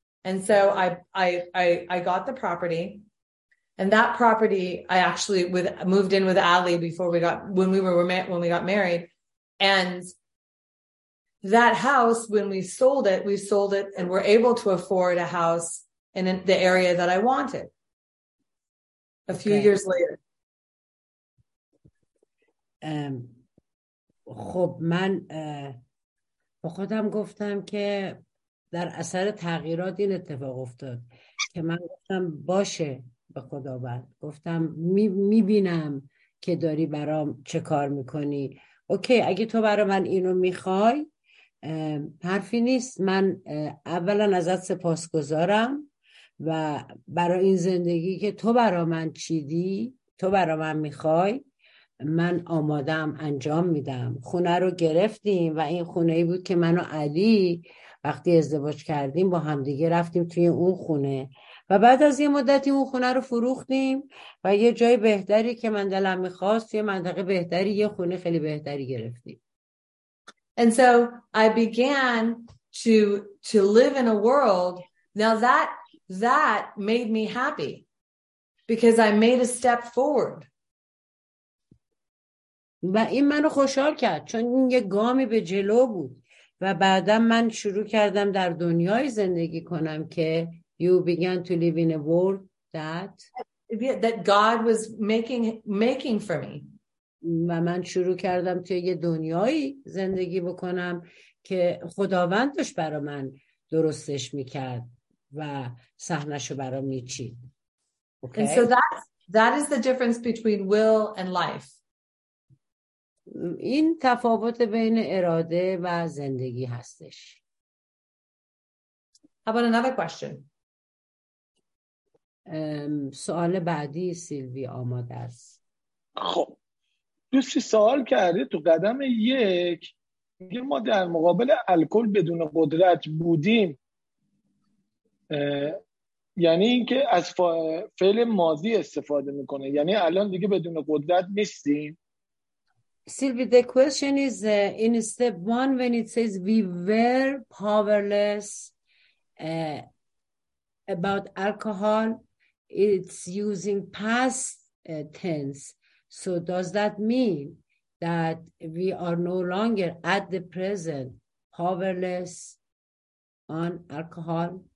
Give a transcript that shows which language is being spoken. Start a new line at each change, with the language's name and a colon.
English: And so I got the property. And that property, I actually moved in with Ali when we got married. And that house, when we sold it and were able to afford a house in the area that I wanted a few years later.
Persian: خب من با خودم گفتم که در اثر تغییرات این اتفاق افتاد که من گفتم باشه به خداوند گفتم میبینم که داری برام چه کار میکنی. اوکی اگه تو برا من اینو میخوای حرفی نیست. من اولا ازت سپاسگزارم و برای این زندگی که تو برا من چیدی تو برا من میخوای من آمادم انجام میدم. خونه رو گرفتیم و این خونه ای بود که من و علی وقتی ازدواج کردیم با همدیگه رفتیم توی اون خونه و بعد از یه مدتی اون خونه رو فروختیم و یه جای بهتری که من دلم میخواست یه منطقه بهتری یه خونه خیلی بهتری گرفتیم.
English: And so I began to live in a world. Now that made me happy because I made a step forward.
Persian: و این منو خوشحال کرد چون این یه گامی به جلو بود و بعدا من شروع کردم در دنیای زندگی کنم که
English: you began to live in a world that God was making for me.
Persian: و من شروع کردم توی یه دنیایی زندگی بکنم که خداوند داشت برا من درستش میکرد و صحنه‌شو برا میچید. Okay.
English: And so that is the difference between will and life.
Persian: این تفاوت بین اراده و زندگی هستش.
English: How about another question?
Persian: سوال بعدی سیلوی آماده است. خب دوستی سوال کرده تو قدم یک میگه ما در مقابل الکل بدون قدرت بودیم، یعنی اینکه از فعل ماضی استفاده میکنه، یعنی الان دیگه بدون قدرت نیستیم.
English: Sylvie the question is in step one when it says we were powerless about alcohol it's using past tense. So does that mean that we are no longer at the present powerless on alcohol?